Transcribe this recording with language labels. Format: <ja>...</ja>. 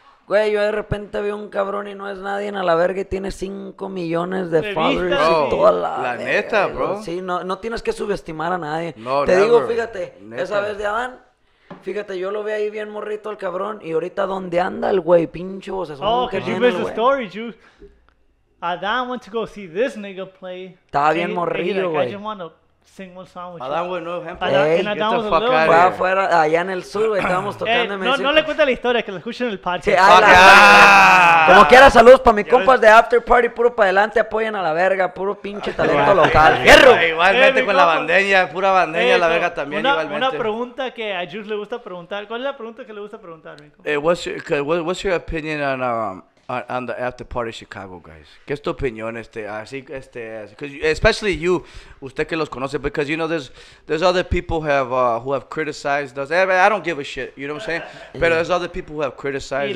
<es>Güey, yo de repente veo un cabrón y no es nadie en a la verga y tiene 5 millones de followers y toda la... La neta, bro. Sí, no tienes que subestimar a nadie. No, te</es> <en>never.</en> <es>Digo, fíjate, neta. Esa vez de Adán, fíjate, yo lo vi ahí bien morrito al cabrón y ahorita, ¿dónde anda el güey? Pinche vocesón.</es> <en>Oh, que you missed the story, you... Adán went to go see this nigga play.</en> <es>Estaba bien morrito, güey. Adán, güey, no, ejemplo. Fue afuera, allá en el sur, güey, estábamos tocando. No le cuente la historia, que la escuchen en el party. Como quiera, saludos para mis compas de After Party, puro para adelante, apoyen a la verga, puro pinche talento local. Igualmente con la bandeña, pura bandeña, la verga también, igualmente. Una pregunta que a Jules le gusta preguntar. ¿Cuál es la pregunta que le gusta preguntar, mi compa?</es> <en>What's your opinion on... on the After Party Chicago, guys.</en> <es>¿Qué es tu opinión,</es> <en>especially you,</en> <es>usted que los conoce,</es> <en>because, you know, there's other people who have criticized us. I don't give a shit, you know what I'm saying? But there's other people who have criticized us.</en>